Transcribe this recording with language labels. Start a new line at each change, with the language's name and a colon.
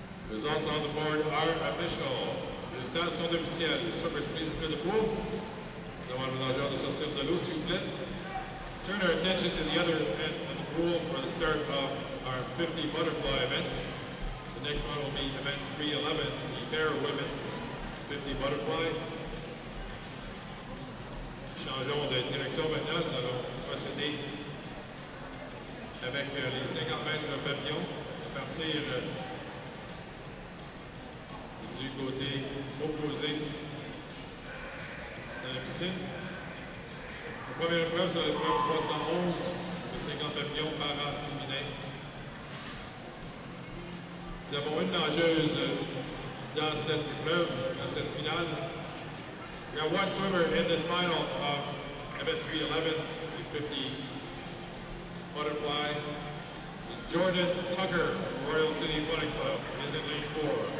English: Results on the board are official.
French: Résultats sont officiels.
English: Surfers, please go to the pool.
French: Demande aux nageurs de sortir de l'eau, s'il vous plaît.
English: Turn our attention to the other end of the pool for the start of our 50 butterfly events. The next one will be event 311, the pair women's 50 butterfly.
French: Changeons de direction maintenant. Nous allons procéder avec les 50 mètres papillon à partir du côté opposé de la piscine. La première épreuve sur l'épreuve 311 de 50 papillons para féminin. Nous avons une nageuse dans cette épreuve, dans cette finale.
English: We have one swimmer in this final of event 311, the 50 butterfly. Jordan Tucker, Royal City Aquatic Club, is in lane 4.